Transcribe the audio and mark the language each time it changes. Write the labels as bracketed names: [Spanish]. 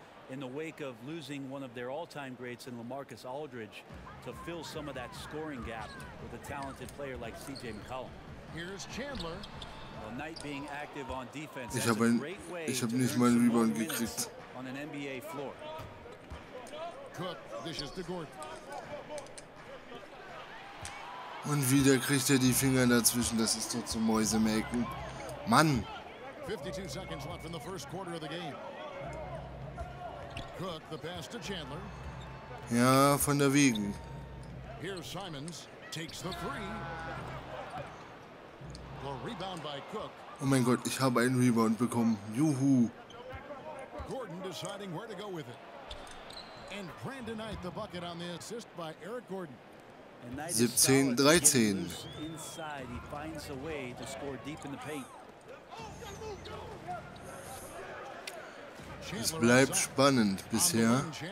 [English] In the wake of losing one of their all-time greats in LaMarcus Aldridge, to fill some of that scoring gap with a talented player like CJ McCollum. Here's Chandler. The night being active on defense. [German] Ich habe nicht mal einen Rebound gekriegt. [English] On an NBA floor. Cook dishes to Gordon. [German] Und wieder kriegt die Finger dazwischen. Das ist doch zum Mäusemelken. Mann. [English] 52 seconds left in the first quarter of the game. Cook, the pass to Chandler. [German] Ja, von der Wegen. [English] Here Simons takes the three. The rebound by Cook. [German] Oh mein Gott, ich habe einen Rebound bekommen. Juhu. [English] Gordon deciding where to go with it. And Brandon Knight the bucket on the assist by Eric Gordon. 17-13. Inside, he finds a way to score deep in the paint. [German] Es bleibt spannend bisher.